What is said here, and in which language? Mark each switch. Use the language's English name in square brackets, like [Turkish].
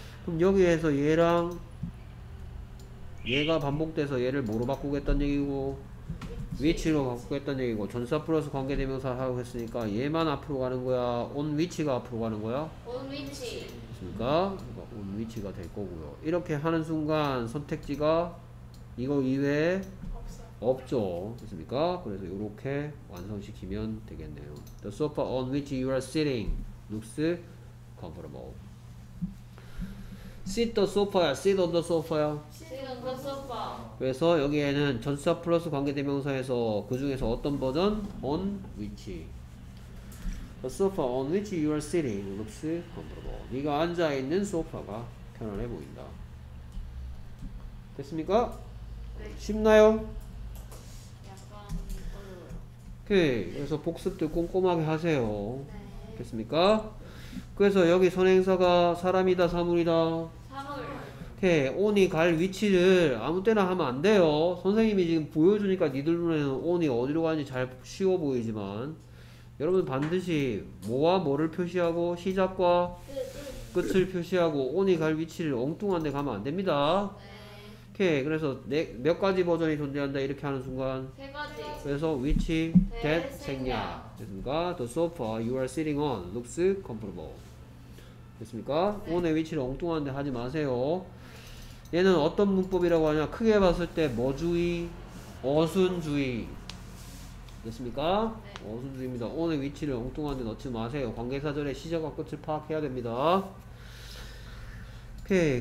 [Korean] 그럼 여기에서 얘랑 얘가 반복돼서 얘를 뭐로 바꾸겠다는 얘기고 위치로 바꾸겠다는 얘기고 전사 플러스 관계대명사 하고 했으니까 얘만 앞으로 가는 거야? on 위치가 앞으로 가는 거야? on 위치. 그러니까 on 위치가 될 거고요. 이렇게 하는 순간 선택지가 이거 이외에 없죠. 그렇습니까? 그래서 이렇게 완성시키면 되겠네요. [English] The sofa on which you are sitting looks comfortable. sit the sofa야, sit on the sofa야. sit on the sofa. [Korean] 그래서 여기에는 전치사 플러스 관계대명사에서 그 중에서 어떤 버전? [English] on which. the sofa on which you are sitting looks comfortable. [Korean] 네가 앉아 있는 소파가 편안해 보인다. 됐습니까? 네. 쉽나요? 약간 어려워요. 오케이. 그래서 복습들 꼼꼼하게 하세요. 네. 됐습니까? 그래서 여기 선행사가 사람이다, 사물이다? 사물. 오케이. 온이 갈 위치를 아무 때나 하면 안 돼요. 선생님이 지금 보여주니까 니들 눈에는 온이 어디로 가는지 잘 쉬워 보이지만 여러분 반드시 뭐와 뭐를 표시하고 시작과 끝을 표시하고 온이 갈 위치를 엉뚱한 데 가면 안 됩니다. 네. 오케이. 그래서 네, 몇 가지 버전이 존재한다 이렇게 하는 순간 세 가지. 그래서 which, that, 생냐. 됐습니까? [English] The sofa you are sitting on looks comfortable. [Korean] 됐습니까? 네. 온의 위치를 엉뚱한데 하지 마세요. 얘는 어떤 문법이라고 하냐, 크게 봤을 때 뭐 주의? 어순주의. 됐습니까? 네. 어순주의입니다. 온의 위치를 엉뚱한데 넣지 마세요. 관계사전에 시작과 끝을 파악해야 됩니다. 오케이.